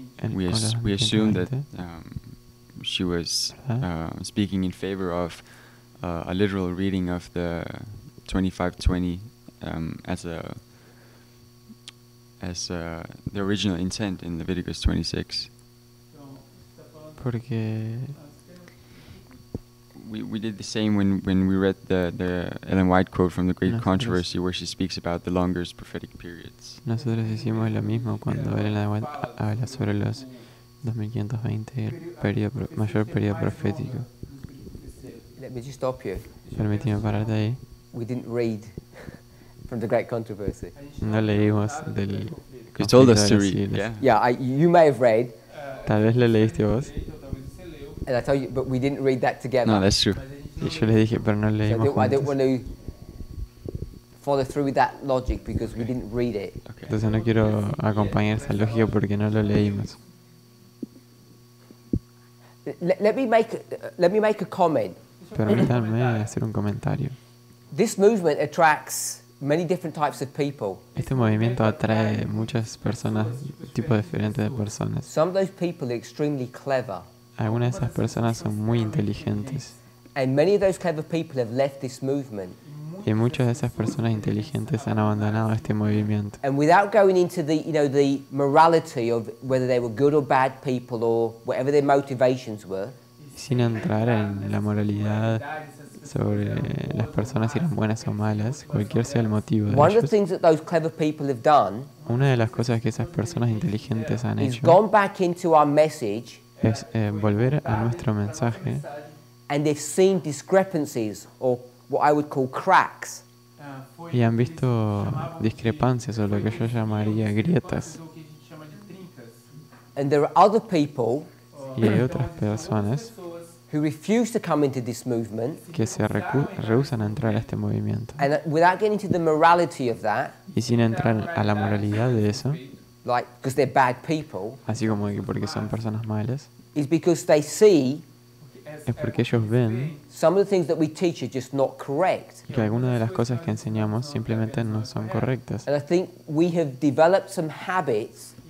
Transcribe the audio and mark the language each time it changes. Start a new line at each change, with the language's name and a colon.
English: We assumed that she was speaking in favor of a literal reading of the 2520 as the original intent in Leviticus 26.
Spanish: Porque
English: we did the same when we read the Ellen White quote from the Great Controversy, where she speaks about the longer prophetic periods.
Spanish: Nosotros hicimos lo mismo cuando Ellen White habla sobre los 2520 el periodo mayor periodo profético.
English: Let me just stop you.
Spanish: Permíteme pararte ahí.
English: We didn't read from the Great Controversy.
Spanish: No leímos del.
English: You told us to read. Yeah. Yeah. You may have read.
Spanish: Tal vez lo leíste vos.
English: And I tell you, but we didn't read that together. No, that's true.
Spanish: Y yo le dije, pero no leímos juntos.
English: I don't want to follow through with that logic because we didn't read it. Okay.
Spanish: Entonces no quiero acompañar esa lógica porque no lo leímos.
English: Let me make a comment.
Spanish: Permítanme hacer un comentario.
English: This movement attracts many different types of people.
Spanish: Este movimiento atrae muchas personas, tipos diferentes de personas.
English: Some of those people are extremely clever.
Spanish: Algunas de esas personas son muy inteligentes.
English: And many of those clever people have left this movement.
Spanish: Y muchas de esas personas inteligentes han abandonado este movimiento.
English: And without going into the, you know, the morality of whether they were good or bad people or whatever their motivations were.
Spanish: Sin entrar en la moralidad sobre las personas si eran buenas o malas, cualquier sea el motivo de ellos.
English: One of the things that those clever people have done.
Spanish: Una de las cosas que esas personas inteligentes han hecho.
English: Is gone back into our message.
Spanish: Es volver a nuestro mensaje.
English: And they've seen discrepancies or what I would call cracks.
Spanish: Y han visto discrepancias o lo que yo llamaría grietas.
English: And there are other people.
Spanish: Y hay otras personas
English: who refuse to come into this movement.
Spanish: Que se rehusan a entrar a este movimiento.
English: And without getting to the morality of that.
Spanish: Y sin entrar a la moralidad de eso.
English: Like, because they're bad people.
Spanish: Así como que porque son personas malas.
English: Is because they see.
Spanish: Es porque ellos ven.
English: Some of the things that we teach are just not correct.
Spanish: Que algunas de las cosas que enseñamos simplemente no son correctas.
English: And I think we have developed some habits.